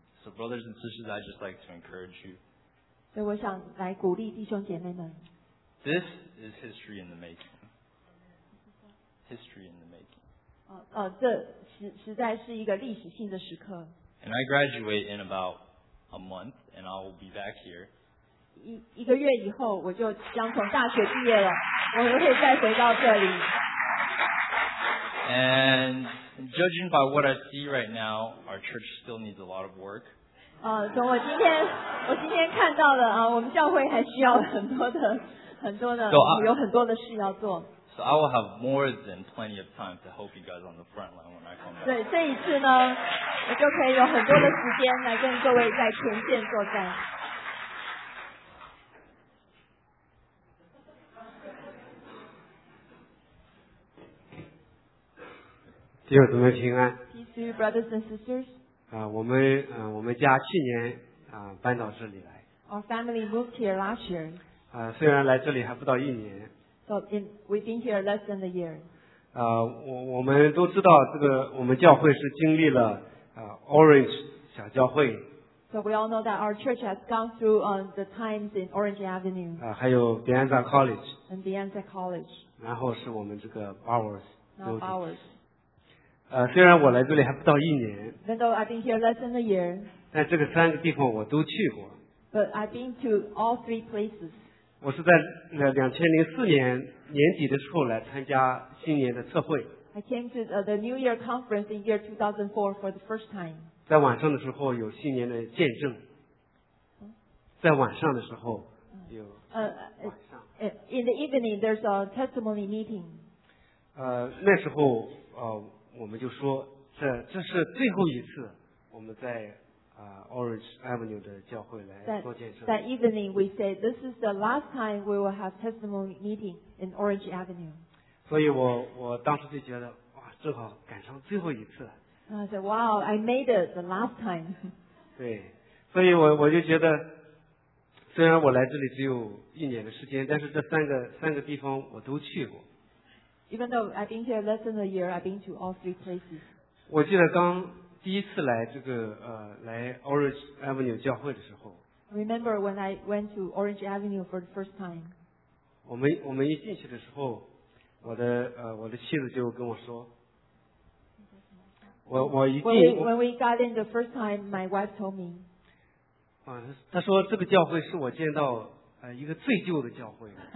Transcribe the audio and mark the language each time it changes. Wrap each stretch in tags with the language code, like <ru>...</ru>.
<en>So brothers and sisters, I just like to encourage you.</en> <zh>所以我想来鼓励弟兄姐妹们。</zh> <en>This is history in the making. History in the making.</en> <zh>这。实在是一个历史性的时刻。</zh> <en>And I graduate in about a month, and I will be back here.</en> <zh>一个月以后，我就将从大学毕业了，我会再回到这里。</zh> <en>And judging by what I see right now, our church still needs a lot of work.</en> <zh>从我今天看到的我们教会还需要很多的事要做。</zh> <en>So I will have more than plenty of time to help you guys on the front line when I come back.</en> <zh>对，这一次呢，我就可以有很多的时间来跟各位在前线作战。弟兄姊妹平安。</zh> <en>Peace to you, brothers and sisters.</en> <zh>我们家去年搬到这里来。</zh> <en>Our family moved here last year.</en> <zh>虽然来这里还不到一年。</zh> <en>So we've been here less than a year.</en> <zh>我们都知道这个我们教会是经历了Orange 小教会。</zh> <en>So we all know that our church has gone through the times in Orange Avenue.</en> <zh>还有 Bianza College.</zh> <en>And Bianza College.</en> <zh>然后是我们这个 Bowers.</zh> <en>Now Bowers.</en> <zh>虽然我来这里还不到一年。</zh> <en>Even though I've been here less than a year.</en> <zh>但这个三个地方我都去过。</zh> <en>But I've been to all three places.</en> <zh>我是在2004年年底的时候来参加新年的测绘。</zh> <en>I came to the New Year conference in year 2004 for the first time.</en> <zh>在晚上的时候有新年的见证。在晚上的时候有晚上。</zh> <en>In the evening, there's a testimony meeting.</en> <zh>那时候我们就说这是最后一次我们在。 Orange Avenue 的教会来做见证。</zh> <en>That evening we say this is the last time we will have testimony meeting in Orange Avenue.</en> <zh>所以我当时就觉得哇，正好赶上最后一次。</zh> <en>I said, wow, I made it the last time.</en> <zh>对，所以我就觉得，虽然我来这里只有一年的时间，但是这三个地方我都去过。</zh> <en>Even though I've been here less than a year, I've been to all three places.</en> <zh>我记得刚。第一次来这个来 Orange Avenue 教会的时候</zh> <en>，Remember when I went to Orange Avenue for the first time？</en> <zh>我们一进去的时候，我的妻子就跟我说，我一进</zh> <en>When we got in the first time, my wife told me。</en> <zh>她说这个教会是我见到一个最旧的教会。</zh>